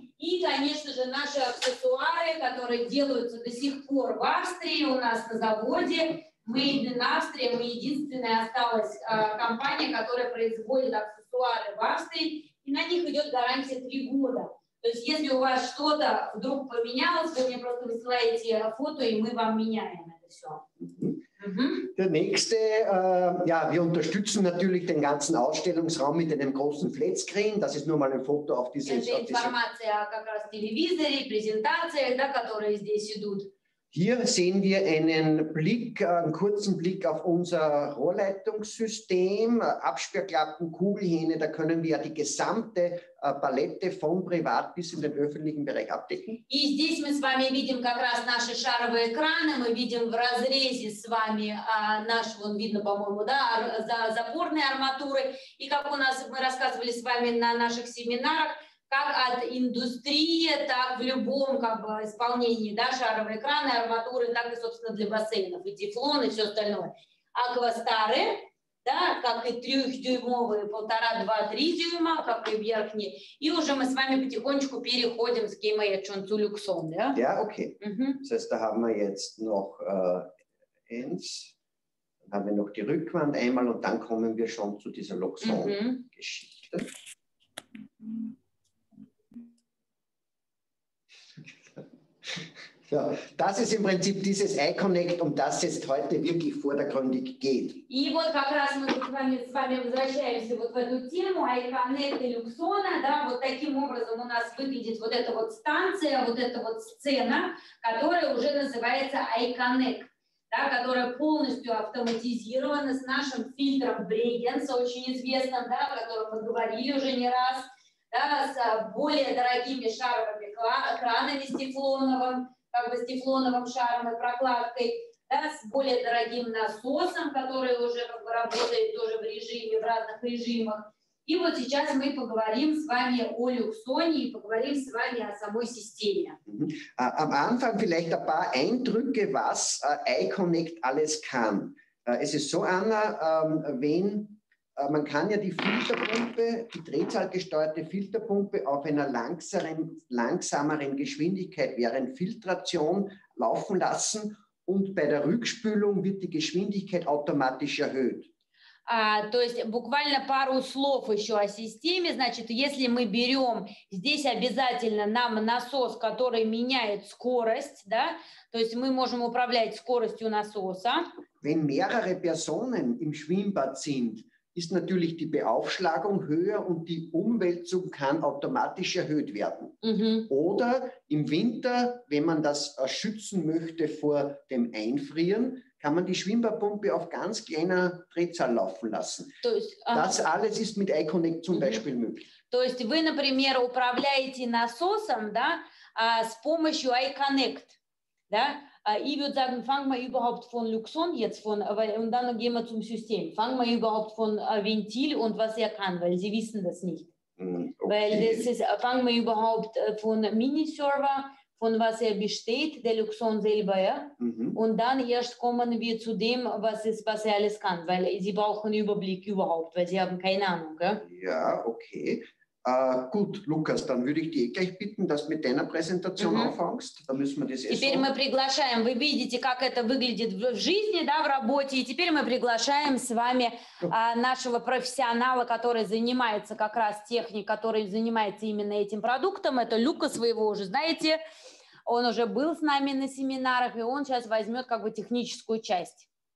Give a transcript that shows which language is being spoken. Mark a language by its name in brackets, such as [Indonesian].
[Russian] И, конечно же, наши аксессуары, которые делаются до сих пор в Австрии, у нас на заводе. [English] Made in Austria, [Russian] мы единственная осталась компания, которая производит аксессуары в Австрии, и на них идет гарантия 3 года. То есть, если у вас что-то вдруг поменялось, вы мне просто высылаете фото, и мы вам меняем это все. [German] Der nächste, ja, wir unterstützen natürlich den ganzen Ausstellungsraum mit einem großen Flatscreen. Das ist nur mal ein Foto auf diese [Russian] Informationen, как раз телевизоры, презентации, да, которые здесь идут. [German] Hier sehen wir einen kurzen Blick auf unser Rohrleitungssystem, Absperrklappen, Kugelhähne, da können wir ja die gesamte Palette von privat bis in den öffentlichen Bereich abdecken. [Russian] И здесь мы с вами видим как раз наши шаровые экраны, мы видим в разрезе с вами наш, вон видно, по-моему, да, запорные арматуры, и как у нас, мы рассказывали с вами на наших семинарах, как от индустрии, так в любом как бы, исполнении, да, шаровые экраны, арматуры, так и, собственно, для бассейнов, и тефлон, и все остальное. Аквастары, да, как и трехдюймовые, 1,5-2-3 дюйма, как и верхние. И уже мы с вами потихонечку переходим с Кейма Ячон zu Люксон, да? Да, окей. [German] Das heißt, da haben wir jetzt noch eins, dann haben wir noch die Rückwand einmal und dann kommen wir schon zu dieser Luxon-Geschichte. Ja, das ist im Prinzip dieses iConnect, um das es heute wirklich vordergründig geht. [Russian] И вот как раз мы с вами возвращаемся вот в эту тему iConnect и Люксона, да, вот таким образом у нас выглядит вот эта вот станция, вот эта вот сцена, которая уже называется iConnect, да, которая полностью автоматизирована с нашим фильтром Bregenz, очень известным, да, о котором мы говорили уже не раз, да, с более дорогими шаровыми кранами с тефлоновым, как бы с тефлоновым шаром и прокладкой, да, с более дорогим насосом, который уже как бы работает тоже в режиме, в разных режимах. И вот сейчас мы поговорим с вами о Люксоне и поговорим с вами о самой системе. [German] Am Anfang vielleicht ein paar Eindrücke, was iConnect alles kann. Es ist so, Anna, wenn man kann ja die Filterpumpe, die drehzahlgesteuerte Filterpumpe auf einer langsameren Geschwindigkeit während Filtration laufen lassen und bei der Rückspülung wird die Geschwindigkeit automatisch erhöht. [Russian] То есть буквально пару слов еще о системе. Значит, если мы берем, здесь обязательно нам насос, который меняет скорость, да, то есть мы можем управлять скоростью насоса. [German] Wenn mehrere Personen im Schwimmbad sind, ist natürlich die Beaufschlagung höher und die Umwälzung kann automatisch erhöht werden. Mm-hmm. Oder im Winter, wenn man das schützen möchte vor dem Einfrieren, kann man die Schwimmbadpumpe auf ganz kleiner Drehzahl laufen lassen. Das alles ist mit iConnect zum Beispiel möglich. [Russian] То есть вы, например, управляете насосом, да, с помощью iConnect, да? [German] Ich würde sagen, fangen wir überhaupt von Luxon jetzt von, und dann gehen wir zum System. Fangen wir überhaupt von Ventil und was er kann, weil Sie wissen das nicht. Okay. Weil das ist, fangen wir überhaupt von Miniserver, von was er besteht, der Luxon selber, ja? Mhm. Und dann erst kommen wir zu dem, was er alles kann, weil Sie brauchen Überblick überhaupt, weil Sie haben keine Ahnung, ja? Ja, okay. Gut, Lukas, dann würde ich dich gleich bitten, dass du mit deiner Präsentation anfängst. Dann müssen wir das [Russian] теперь мы приглашаем, вы видите, как это выглядит в жизни, да, в работе, и теперь мы приглашаем с вами нашего профессионала, который занимается как раз техникой, который занимается именно этим продуктом, это Лукас, вы его уже знаете, он уже был с нами на семинарах, и он сейчас возьмет как бы техническую часть.